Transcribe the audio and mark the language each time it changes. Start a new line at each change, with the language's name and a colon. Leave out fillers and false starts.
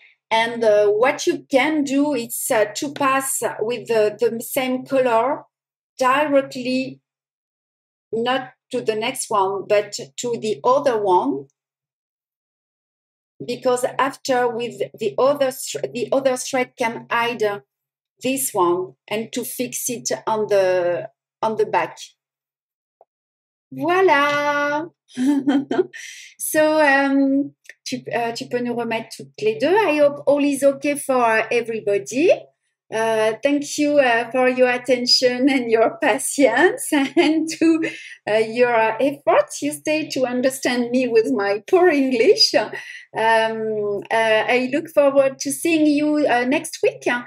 English: And what you can do is to pass with the same color directly, not to the next one, but to the other one. Because after with the other thread can hide this one and to fix it on the back.
French: Voilà. So tu peux nous remettre toutes les deux.
English: I hope all is okay for everybody. Thank you for your attention and your patience and to your effort. You stay to understand me with my poor English. I look forward to seeing you next week.